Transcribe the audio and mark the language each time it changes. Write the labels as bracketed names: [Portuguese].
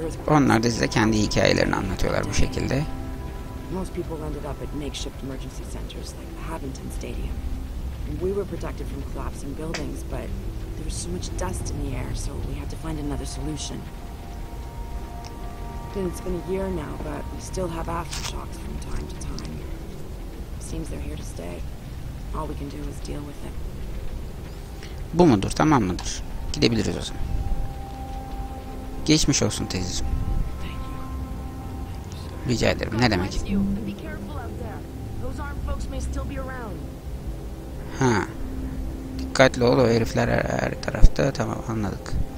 [Turkish] Onlar da size kendi hikayelerini anlatıyorlar bu şekilde. [English] Most people ended up at makeshift emergency centers like the Havinton Stadium. We were protected from collapsing buildings, but there was so much dust in the air, so we had to find another solution. It's been a year now, but we still have aftershocks from time to time. Seems they're here to stay. All we can do is deal with it. [Turkish] Bu mudur, tamam mıdır? Gidebiliriz o zaman. Geçmiş olsun teyzeciğim. Rica ederim. Ne demek? Ha. Dikkatli ol, o herifler her tarafta. Tamam, anladık.